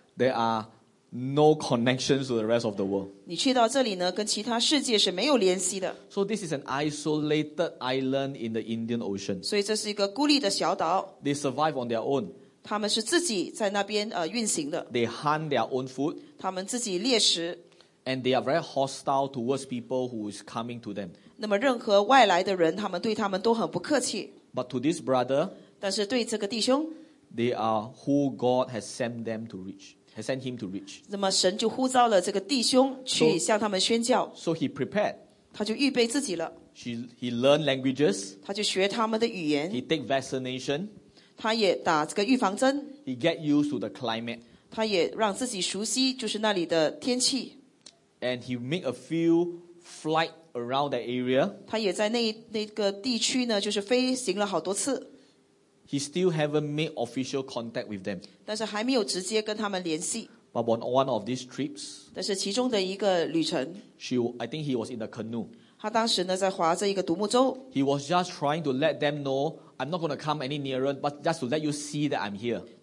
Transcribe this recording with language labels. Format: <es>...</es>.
<en>There are no connections to the rest of the world.</en> <zh>你去到这里呢，跟其他世界是没有联系的。</zh> <en>So this is an isolated island in the Indian Ocean.</en> <zh>所以这是一个孤立的小岛。</zh> <en>They survive on their own.</en> <zh>他们是自己在那边运行的。</zh> <en>They hunt their own food.</en> <zh>他们自己猎食。</zh> <en>And they are very hostile towards people who is coming to them.</en> <zh>那么任何外来的人，他们对他们都很不客气。</zh> <en>But to this brother,</en> <zh>但是对这个弟兄,</zh> <en>they are who God has sent them to reach. Has sent him to reach.</en> <zh>那么神就呼召了这个弟兄去向他们宣教。</zh> <en>So he prepared.</en> <zh>他就预备自己了。</zh> <en>He learned languages.</en> <zh>他就学他们的语言。</zh> <en>He take vaccination.</en> <zh>他也打这个预防针。</zh> <en>He get used to the climate.</en> <zh>他也让自己熟悉就是那里的天气。</zh> <en>And he make a few flight around that area.</en> <zh>他也在那个地区呢，就是飞行了好多次。</zh> <en>He still haven't made official contact with them.</en> <zh>但是还没有直接跟他们联系。</zh> <en>But on one of these trips,</en> <zh>但是其中的一个旅程,</zh> <en>I think he was in the canoe.</en> <zh>他当时呢在划着一个独木舟。</zh> <en>He was just trying to let them know, I'm not going to come any nearer, but just to let you see that I'm here.</en>